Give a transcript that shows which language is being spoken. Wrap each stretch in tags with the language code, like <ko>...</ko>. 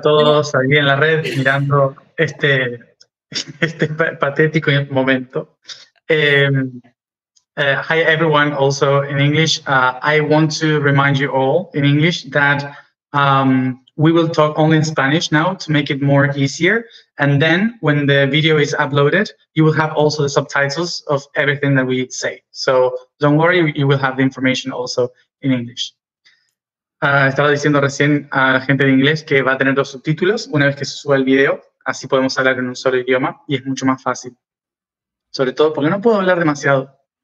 <es>todos aquí en la red mirando este patético momento.</es> <en>Hi everyone, also in English. I want to remind you all in English that we will talk only in Spanish now to make it more easier. And then when the video is uploaded, you will have also the subtitles of everything that we say. So don't worry, you will have the information also in English.</en> <es>Estaba diciendo recién a la gente de inglés que va a tener los subtítulos una vez que se suba el video, así podemos hablar en un solo idioma y es mucho más fácil. Sobre todo porque no puedo hablar demasiado.</es>